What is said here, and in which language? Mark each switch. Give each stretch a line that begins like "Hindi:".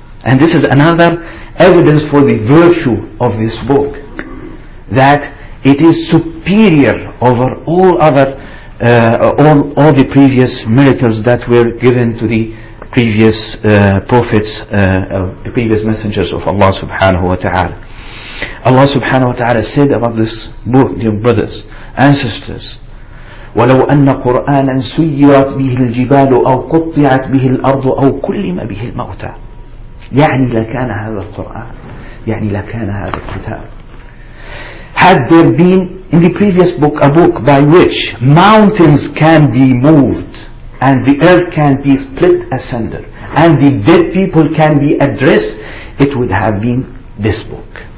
English: And this is another evidence for the virtue of this book, that it is superior over all other all the previous miracles that were given to the previous prophets, the previous messengers of Allah subhanahu wa ta'ala. Allah subhanahu wa ta'ala said about this book, dear brothers, ancestors,
Arabic: وَلَوْ أَنَّ قُرْآنًا سُيِّرَتْ بِهِ الْجِبَالُ أَوْ قُطِّعَتْ بِهِ الْأَرْضُ أَوْ كُلِّمَ بِهِ الْمَوْتَى. يعني لكان هذا القرآن, يعني لكان هذا الكتاب.
English: Had there been in the previous book a book by which mountains can be moved and the earth can be split asunder and the dead people can be addressed, it would have been this book.